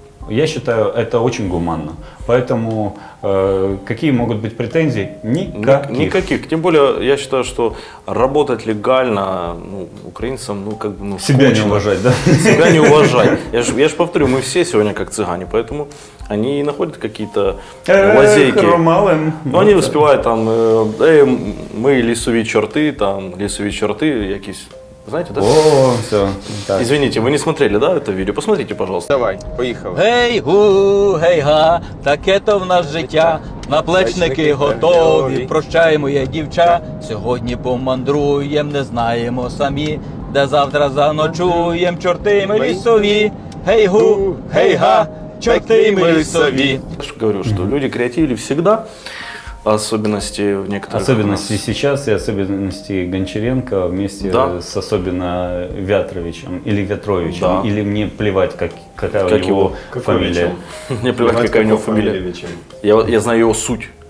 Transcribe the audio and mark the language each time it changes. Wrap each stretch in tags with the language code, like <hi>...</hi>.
<ru>Я считаю, это очень гуманно. Поэтому какие могут быть претензии? Никаких. Никаких. Тем более, я считаю, что работать легально украинцам, себя скучно. Не уважать, да? Себя не уважать. Я ж повторю, мы все сегодня как цыгане, поэтому они и находят какие-то лазейки. Ромалин. Ну, они успевают там, мы</ru> <uk>лісові чорти, якісь.</uk> <ru>Знаете, да? О, все. Так. Извините, вы не смотрели, да, это видео? Посмотрите, пожалуйста. Давай, поехали.</ru> <uk>Гей, гу, гей, га, так это в нас життя. Наплечники готові, прощай, моя дівча. Сьогодні помандруєм, не знаємо самі, де завтра заночуєм, чорти ми лісові. Гей, гу, гей, га, чорти ми лісові. Я ж говорю, що люди креативні завжди.</uk> <ru>Особенности в некоторых. Особенности сейчас и особенности Гончаренко вместе с особенно Вятровичем или Вятровичем. Да. Или мне плевать, какая как у него фамилия. Мне плевать, какая у него фамилия. Я знаю его суть.</ru>